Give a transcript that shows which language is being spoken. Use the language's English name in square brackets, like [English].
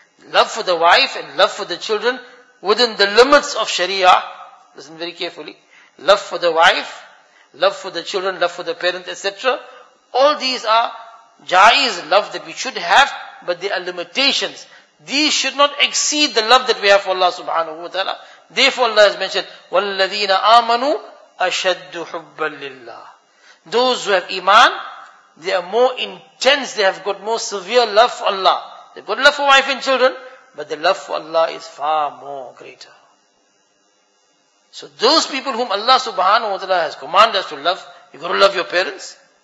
[English] Love for the wife and love for the children within the limits of Sharia. Listen very carefully. Love for the wife, love for the children, love for the parents, etc. All these are jais, love that we should have, but they are limitations. These should not exceed the love that we have for Allah subhanahu wa ta'ala. Therefore Allah has mentioned, [Arabic] وَالَّذِينَ آمَنُوا أَشَدُّ حُبًّا لِلَّهِ. [English] Those who have iman, they are more intense, they have got more severe love for Allah. They've got love for wife and children, but the love for Allah is far more greater. So those people whom Allah subhanahu wa ta'ala has commanded us to love, you got to love your parents.